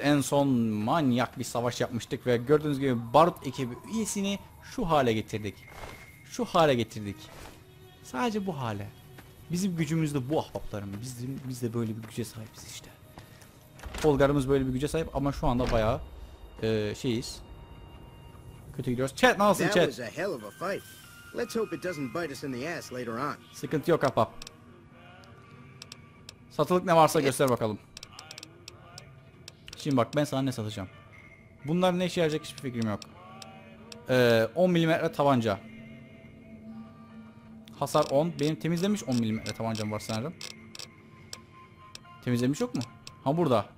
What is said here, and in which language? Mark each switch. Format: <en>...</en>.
<tr>En son manyak bir savaş yapmıştık ve gördüğünüz gibi Barut ekibi üyesini şu hale getirdik. Şu hale getirdik. Sadece bu hale. Bizim gücümüz de bu ahbaplarım. Biz de böyle bir güce sahibiz işte. Holgar'ımız böyle bir güce sahip ama şu anda bayağı şeyiz. Kötü gidiyoruz. Chat nasıl chat?</tr> <en>That was a hell of a fight. Let's hope it doesn't bite us in the ass later on.</en> <tr>Sıkıntı yok ahbap. Satılık ne varsa göster bakalım. Şimdi bak, ben sana ne satacağım? Bunlar ne işe yarayacak hiçbir fikrim yok. 10 milimetre tabanca. Hasar 10. Benim temizlemiş 10 milimetre tabancam var sanırım. Temizlemiş yok mu? Ha burada.</tr>